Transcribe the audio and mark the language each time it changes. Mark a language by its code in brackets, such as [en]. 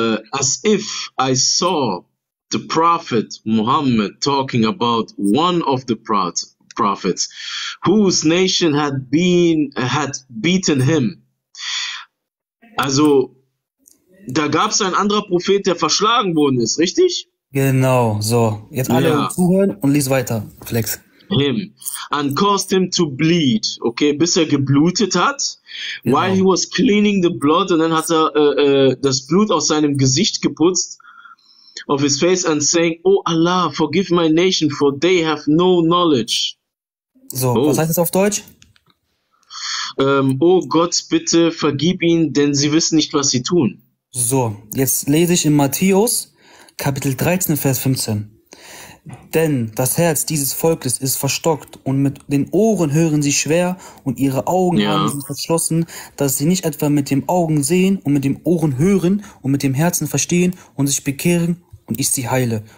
[en] As if I saw the Prophet Muhammad talking about one of the prophets whose nation had beaten him. [de] Also da gab es ein anderer Prophet, der verschlagen worden ist, richtig? Genau, so. Jetzt alle zuhören und lies weiter, Flex. [en] Him and caused him to bleed, okay, [de] bis er geblutet hat. Genau. [en] While he was cleaning the blood, [de] und dann hat er das Blut aus seinem Gesicht geputzt. [en] Of his face and saying, oh Allah, forgive my nation, for they have no knowledge. [de] So, oh. Was heißt das auf Deutsch? Oh Gott, bitte vergib ihnen, denn sie wissen nicht, was sie tun. So, jetzt lese ich in Matthäus, Kapitel 13, Vers 15. Denn das Herz dieses Volkes ist verstockt und mit den Ohren hören sie schwer und ihre Augen haben sie verschlossen, dass sie nicht etwa mit den Augen sehen und mit den Ohren hören und mit dem Herzen verstehen und sich bekehren und ich sie heile.